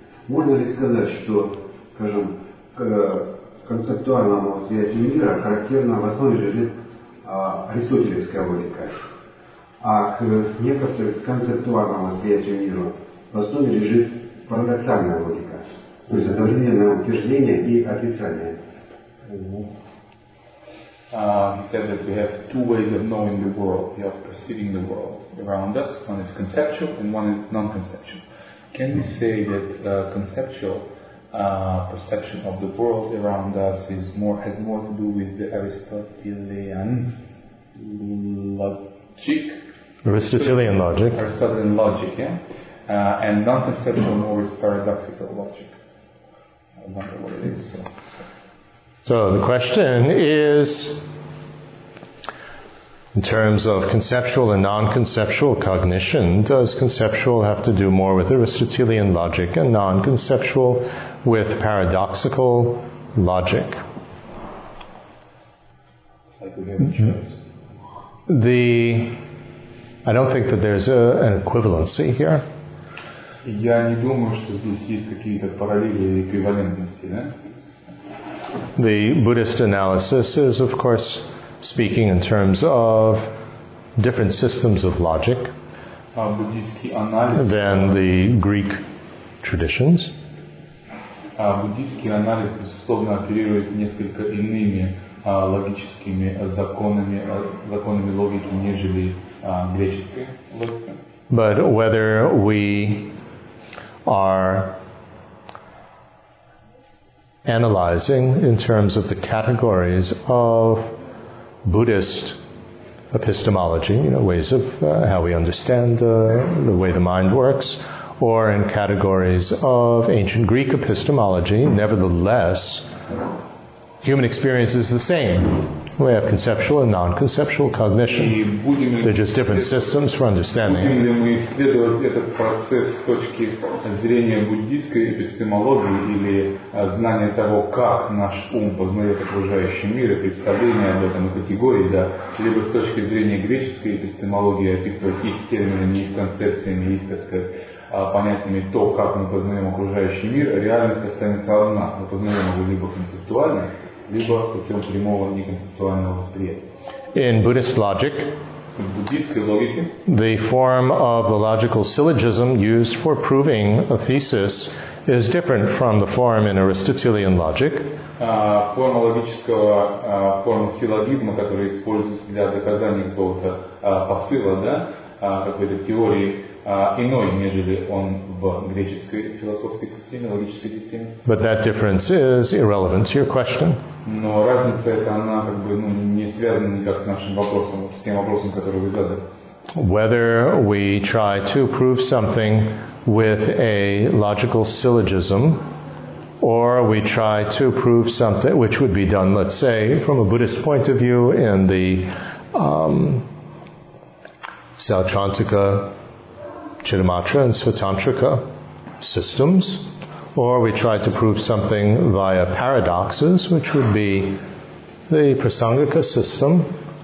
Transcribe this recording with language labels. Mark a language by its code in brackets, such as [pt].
[ru] Можно ли сказать, что, скажем, к концептуальному восприятию мира характерно в основе лежит аристотелевская логика, а к неконцептуальному восприятию мира в основе лежит парадоксальная логика, то есть одновременное утверждение и отрицание? [en] He said that we have two ways of knowing the world, we have perceiving the world around us, one is conceptual and one is non-conceptual. Can we say that conceptual perception of the world around us is more has more to do with the Aristotelian logic? Aristotelian logic. Aristotelian logic, yeah? And non-conceptual more is paradoxical logic. I wonder what it is. So the question is, in terms of conceptual and non-conceptual cognition, does conceptual have to do more with Aristotelian logic and non-conceptual with paradoxical logic? It's like we have a choice. I don't think that there's an equivalency here. [ru] Я не думаю, что здесь есть какие-то параллели или эквивалентности, да? [en] The Buddhist analysis is, of course, speaking in terms of different systems of logic than the Greek traditions. [ru] Буддийский анализ, безусловно, оперирует несколько иными логическими законами, законами логики, нежели греческая логика. [en] But whether we are analyzing in terms of the categories of Buddhist epistemology, you know, ways of how we understand the way the mind works, or in categories of ancient Greek epistemology, nevertheless, human experience is the same. We have conceptual and non-conceptual cognition. They're just different systems for understanding. [ru] Будем ли мы исследовать этот процесс с точки зрения буддийской эпистемологии или знания того, как наш ум познает окружающий мир и представление об этом и категории, да, либо с точки зрения греческой эпистемологии описывать их терминами, их концепциями, их, так сказать, понятиями то, как мы познаем окружающий мир, реальность останется одна. Мы познаем его либо концептуально, либо путем прямого неконцептуального восприятия. [en] In Buddhist logic, [ru] в буддийской логике, [en] the form of the logical syllogism used for proving a thesis is different from the form in Aristotelian logic. [ru] Форма логического, форма силлогизма, которая используется для доказания какого-то посыла, да, какой-то теории, иной, нежели он в греческой философской системе, логической системе. [en] But that difference is irrelevant to your question. [ru] Но разница эта, она как бы, ну, не связана никак с нашим вопросом, с тем вопросом, который вы задали. [en] Whether we try to prove something with a logical syllogism, or we try to prove something which would be done, let's say, from a Buddhist point of view in the Sauchantika, Chittimatra and Svatantrika systems, or we try to prove something via paradoxes, which would be the Prasangika system.